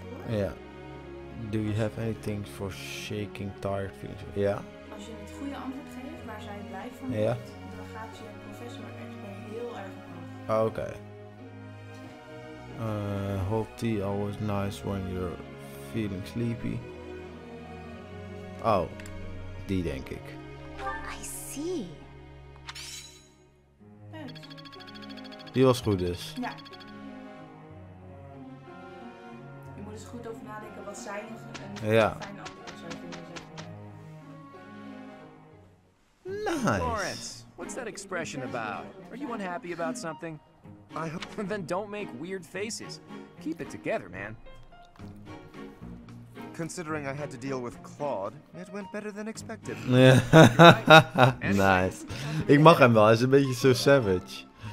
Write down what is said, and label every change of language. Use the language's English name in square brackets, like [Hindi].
[English] Yeah. Do you have anything for shaking tired feelings? Yeah. [Dutch] Als je het goede antwoord geeft, waar zij blij van bent, dan gaat je professor echt heel erg op. Okay. [English] Hot tea always nice when you're feeling sleepy. [Dutch] Oh, die denk ik. [English] I see. [Dutch] Die was goed dus. Ja. Je moet eens goed over nadenken wat zij een fijn antwoord zou vinden. [English] Nice. Lawrence, what's that expression about? Are you unhappy about something? I hope. Then don't make weird faces. Keep it together, man. Considering I had to deal with Claude, it went better than expected. Nice. [Dutch] Ik mag hem wel, hij is een beetje zo savage.